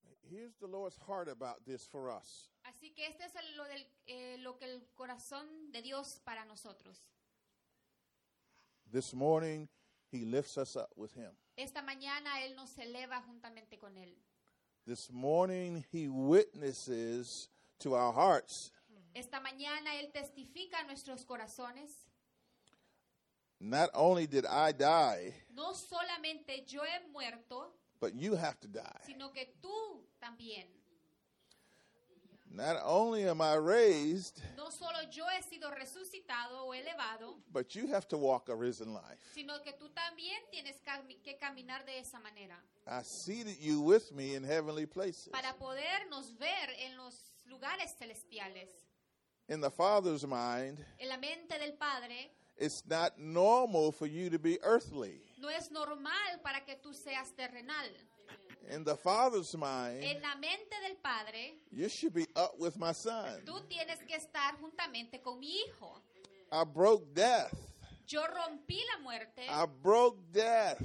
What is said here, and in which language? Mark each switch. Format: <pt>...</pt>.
<en>Here's the Lord's heart about this for us.</en> <es>Así que este es lo que el corazón de Dios para nosotros.</es> <en>This morning, He lifts us up with Him.</en> <es>Esta mañana Él nos eleva juntamente con Él.</es> <en>This morning, He witnesses to our hearts.</en> <es>Esta mañana Él testifica a nuestros corazones.</es> <en>Not only did I die,</en> <es>no solamente yo he muerto,</es> <en>but you have to die.</en> <es>Sino que tú también.</es> <en>Not only am I raised,</en> <es>no solo yo he sido resucitado o elevado,</es> <en>but you have to walk a risen life.</en> <es>Sino que tú también tienes que caminar de esa manera.</es> <en>I seated you with me in heavenly places.</en> <es>Para podernos ver en los lugares celestiales.</es> <en>In the Father's mind,</en> <es>en la mente del Padre,</es> <en>it's not normal for you to be earthly.</en> <es>No es normal para que tú seas terrenal.</es> <en>In the Father's mind,</en> <es>en la mente del Padre,</es> <en>you should be up with my son.</en> <es>Tú tienes que estar juntamente con mi hijo.</es> <en>I broke death.</en> <es>Yo rompí la muerte.</es> <en>I broke death.</en>